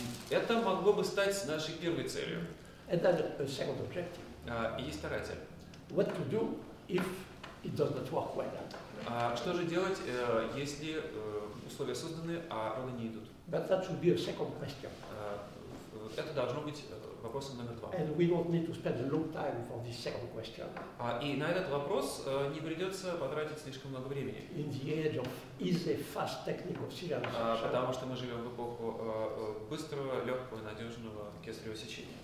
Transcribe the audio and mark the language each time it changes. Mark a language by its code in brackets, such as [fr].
[ru] Это могло бы стать нашей первой целью. [en] And then a second objective. [ru] Есть вторая цель. [en] What to do if it does not work well? [ru] Что же делать, если условия созданы, а роды не идут? [en] But that should be a second question. [ru] Это должно быть вопросом номер два. [en] And we don't need to spend a long time for this second question. [ru] И на этот вопрос не придется потратить слишком много времени. [en] In the age of easy, fast technical cesarean section. [ru] Потому что мы живем в эпоху быстрого, легкого, надежного кесарево сечения.